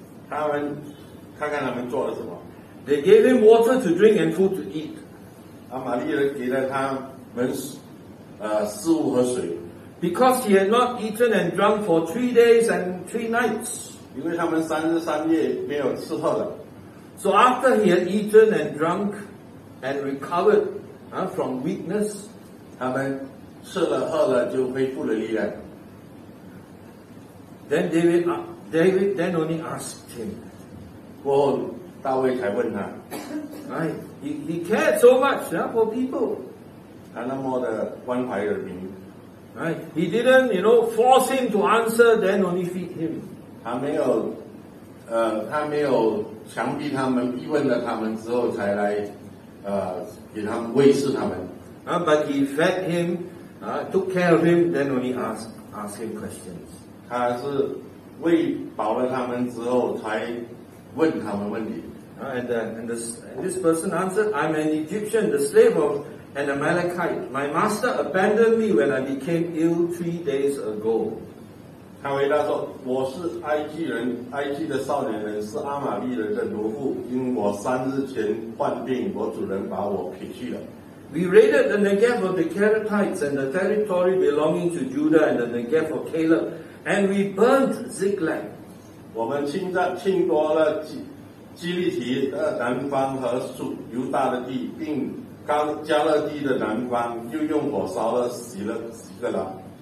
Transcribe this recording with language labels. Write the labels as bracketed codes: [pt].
[zh] 他们看看他们做了什么。 [en] They gave him water to drink and food to eat. [zh] 玛利亚给了他们食物和水。 [en] Because he had not eaten and drunk for 3 days and 3 nights. [zh] 因为他们三日三夜没有吃喝的。 [en] So after he had eaten and drunk and recovered, from weakness, [zh] 他们吃了喝了就恢复了力量。 [en] Then David then only asked him. [zh] 过后大卫才问他。 [en] Right, he cared so much for people. [zh] 他那么的关怀人民。 [en] Right, he didn't, you know, force him to answer. Then only feed him. [zh] 他没有，他没有强逼他们，逼问了他们之后才来，给他们喂食他们。 [en] But he fed him, took care of him. Then only ask him questions. [zh] 他是喂饱了他们之后才问他们问题。 [en] And this person answered, "I'm an Egyptian, the slave of." And Amalekite, my master abandoned me when I became ill 3 days ago. [zh] 他回答说，我是埃及人，埃及的少年人，是阿玛利人的奴仆，因我三日前患病，我主人把我撇去了。 [en] We raided the Negev of the Keratites and the territory belonging to Judah and the Negev of Caleb, and we burned Ziklag. [zh] 我们侵夺了基利提的南方和属犹大的地，并加勒地的南方又用火烧了洗个了。